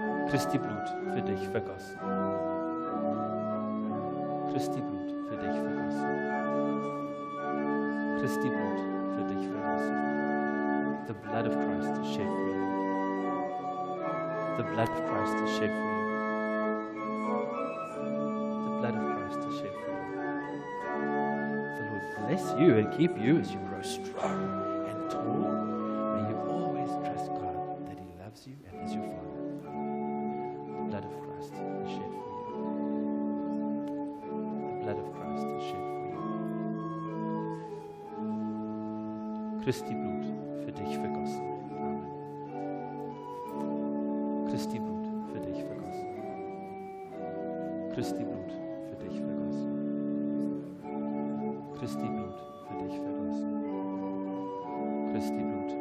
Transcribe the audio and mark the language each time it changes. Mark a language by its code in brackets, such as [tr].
[de] Christi Blut für dich vergossen. Christi Blut für dich vergossen. Christi Blut für dich vergossen. [en] The blood of Christ is shed for you. The blood of Christ is shed for you. The blood of Christ is shed for you. The Lord bless you and keep you as you grow strong and tall. May you always trust God that He loves you and is your Father. Blood of Christ is shed for you. The blood of Christ is shed for you. [de] Christi Blut für dich vergossen. Amen. Christi Blut für dich vergossen. Christi Blut für dich vergossen. Christi Blut für dich vergossen. Christi Blut.